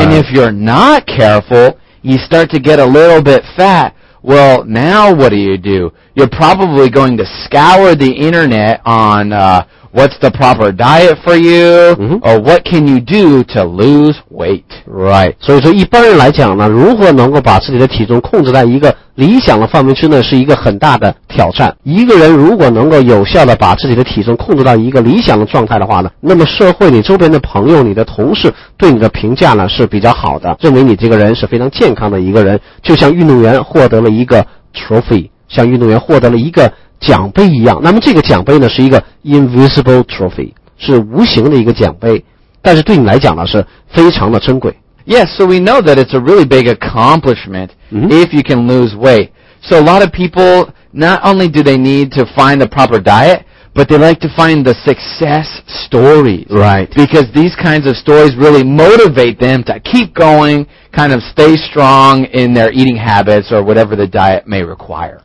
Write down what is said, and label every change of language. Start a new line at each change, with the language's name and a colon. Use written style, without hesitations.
English: And if you're not careful, you start to get a little bit fat. Well, now what do? You're probably going to scour the internet on what's the proper diet for you, or what can you do to lose weight. Right.
Chinese: 所以说一般人来讲呢，如何能够把自己的体重控制在一个理想的范围之内是一个很大的挑战。一个人如果能够有效的把自己的体重控制到一个理想的状态的话呢，那么社会你周边的朋友你的同事对你的评价呢是比较好的，认为你这个人是非常健康的一个人，就像运动员获得了一个 trophy, 像运动员获得了一个奖杯一样。那么这个奖杯呢是一个
English: invisible trophy,
Chinese: 是无形的一个奖杯，但是对你来讲呢是非常的珍贵。
English: Yes, so we know that it's a really big accomplishment if you can lose weight. So a lot of people, not only do they need to find the proper diet, but they like to find the success stories. Right. Because these kinds of stories really motivate them to keep going, kind of stay strong in their eating habits or whatever the diet may require.